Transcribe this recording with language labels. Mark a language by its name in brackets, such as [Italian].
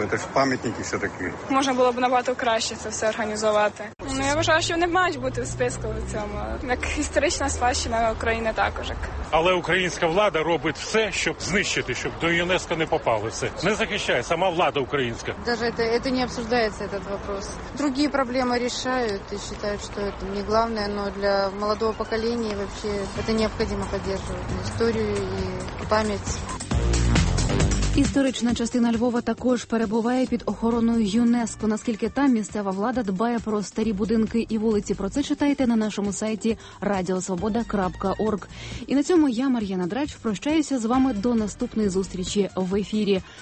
[Ukrainian] Це ж пам'ятники все таки. Можна було б набагато краще це все організувати. Ну, я вважаю, що вони мають бути в списку в цьому. Як історична спадщина України також. Але українська влада робить все, щоб знищити, щоб до ЮНЕСКО не попало все. Не захищає сама влада українська. [Russian] Это не обсуждается, этот вопрос. Другие проблемы решают и считают, что это не главное, но для молодого поколения вообще это необходимо поддерживать историю и память. [Ukrainian] Історична частина Львова також перебуває під охороною ЮНЕСКО. Наскільки там місцева влада дбає про старі будинки і вулиці, про це читайте на нашому сайті radiosvoboda.org. І на цьому я, Мар'яна Драч, прощаюся з вами до наступної зустрічі в ефірі.